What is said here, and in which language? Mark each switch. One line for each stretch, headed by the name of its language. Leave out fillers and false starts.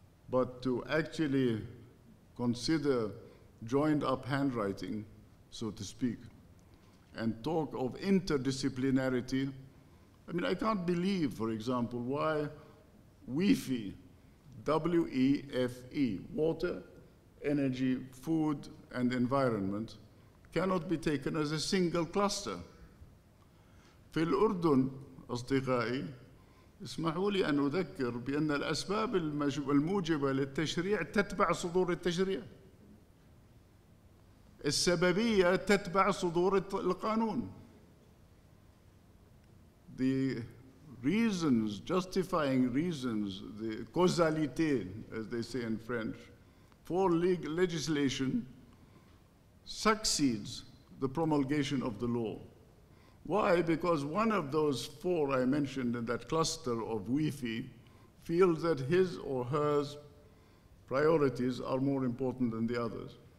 English: But to actually consider joined up handwriting, so to speak, and talk of interdisciplinarity, I mean, I can't believe, for example, why WEFE, W-E-F-E, water, energy, food, and environment, cannot be taken as a single cluster.
Arabic: في الأردن أصدقائي اسمحوا لي أن أذكر بأن الأسباب الموجبة للتشريع تتبع صدور التشريع. السببية تتبع صدور القانون.
English: The reasons, justifying reasons, the causalité, as they say in French, for legislation succeeds the promulgation of the law. Why? Because one of those four I mentioned in that cluster of WIFI feels that his or her priorities are more important than the others.